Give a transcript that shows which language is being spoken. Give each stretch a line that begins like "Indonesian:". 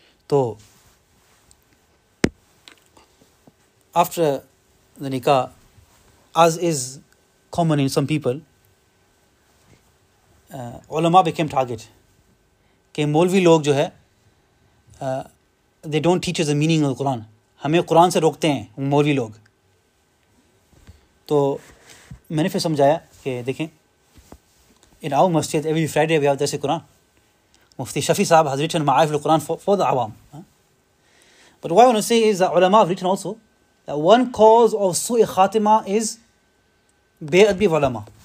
English: So, after the nikah, as is common in some people, ulama became target.
Hindi: Ke molvi log jo hai,
English: they don't teach us the meaning of the Quran.
Hindi: हमें क़ुरान से रोकते हैं, मोलवी लोग. तो, मैंने फिर समझाया के देखें.
English: In our masjid, every Friday we have the Quran. Mufti Shafi Sahib has written Ma'arif al-Quran for the awam. But what I want to say is that ulama have written also that one cause of su'i khatima is bi'adbi ulama.